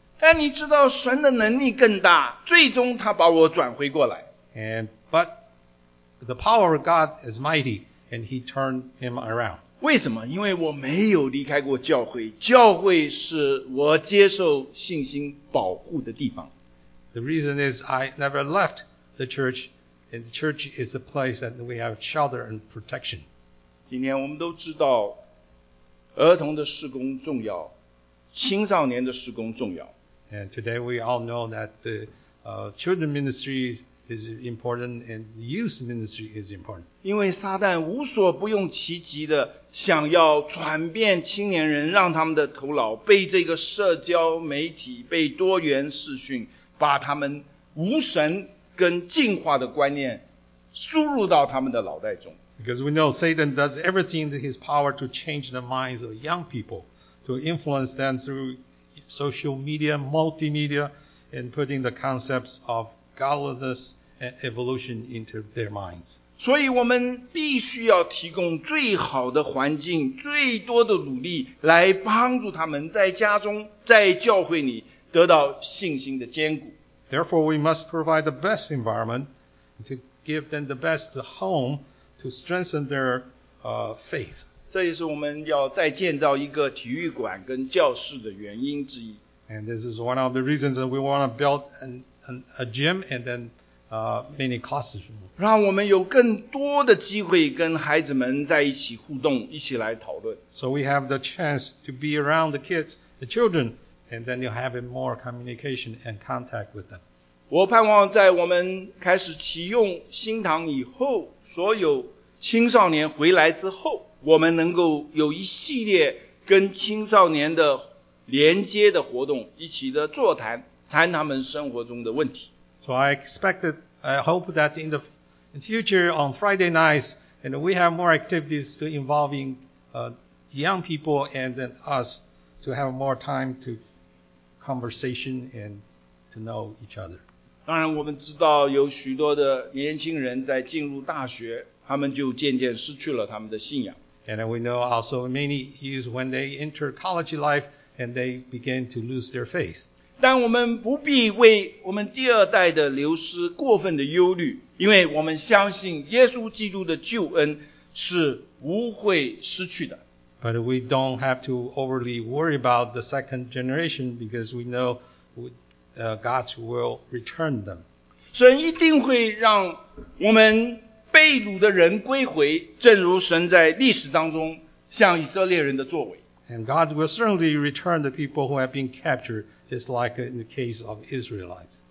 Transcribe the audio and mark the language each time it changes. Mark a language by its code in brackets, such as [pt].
[zh] 但你知道神的能力更大，最终他把我转回过来。 [en] But the power of God is mighty, and he turned him around. [zh] 为什么？因为我没有离开过教会，教会是我接受信心保护的地方。 [en] The reason is I never left the church, and the church is a place that we have shelter and protection. [zh] 今天我们都知道儿童的事工重要，青少年的事工重要。 [en] And today we all know that the children ministry is important and youth ministry is important. [zh] 因为撒旦无所不用其极的想要传遍青年人，让他们的头脑被这个社交媒体、被多元视讯，把他们无神跟进化的观念输入到他们的脑袋中。 [en] Because we know Satan does everything in his power to change the minds of young people, to influence them through social media, multimedia, and putting the concepts of godliness and evolution into their minds. [zh] 所以我们必须要提供最好的环境，最多的努力，来帮助他们在家中，在教会里得到信心的坚固。 [en] Therefore, we must provide the best environment to give them the best home to strengthen their faith. [zh] 这也是我们要再建造一个体育馆跟教室的原因之一。 [en] And this is one of the reasons that we want to build a gym and then many classrooms. [zh] 让我们有更多的机会跟孩子们在一起互动，一起来讨论。 [en] So we have the chance to be around the kids, the children, and then you have more communication and contact with them. [zh] 我盼望在我们开始启用新堂以后，所有青少年回来之后，我们能够有一系列跟青少年的连接的活动，一起的座谈，谈他们生活中的问题。 [en] So I hope that in the future on Friday nights, and we have more activities to involving young people and then us to have more time to conversation and to know each other. [zh] 当然我们知道有许多的年轻人在进入大学，他们就渐渐失去了他们的信仰。 [en] And we know also many youth when they enter college life and they begin to lose their faith. [zh] 但我们不必为我们第二代的流失过分的忧虑，因为我们相信耶稣基督的救恩是无悔失去的。 [en] But we don't have to overly worry about the second generation because we know God will return them. [zh] 神一定会让我们被掳的人归回，正如神在历史当中向以色列人的作为。 [en] And God will certainly return the people who have been captured, just like in the case of Israelites.